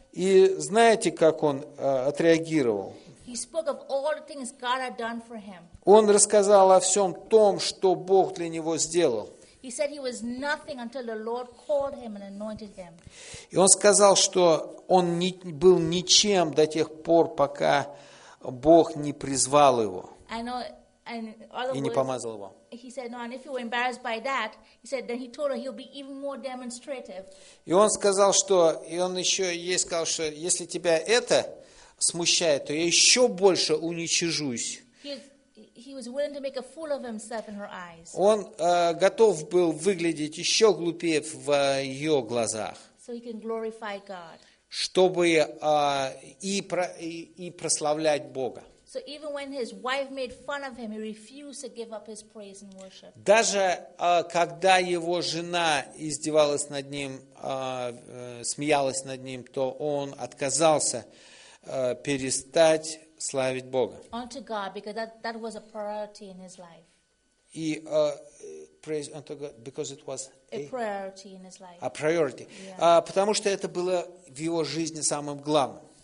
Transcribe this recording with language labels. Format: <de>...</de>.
<ru>И знаете, как он отреагировал?</ru> <en>He spoke of all the things God had done for him.</en> <ru>Он рассказал о всем том, что Бог для него сделал.</ru> <en>He said he was nothing until the Lord called him and anointed him.</en> <ru>И он сказал, что он не был ничем до тех пор, пока Бог не призвал его. И не помазал его.</ru> <en>He said no, and if you were embarrassed by that, he said then he told her he'll be even more demonstrative.</en> <ru>И он сказал, что и он еще ей сказал, что если тебя это смущает, то я еще больше уничижусь.</ru> <en>He was willing to make a fool of himself in her eyes.</en> <ru>Он готов был выглядеть еще глупее в ее глазах.</ru> <en>So he can glorify God.</en> <ru>Чтобы и прославлять Бога.</ru> <en>So even when his wife made fun of him, he refused to give up his praise and worship.</en> <ru>Даже когда его жена издевалась над ним, смеялась над ним, то он отказался перестать славить Бога.</ru> <en>Unto God, because that was a priority in his life. И praise unto God, because it was a priority in his life. A priority.</en> <ru>Потому что это было в его жизни самым главным.</ru>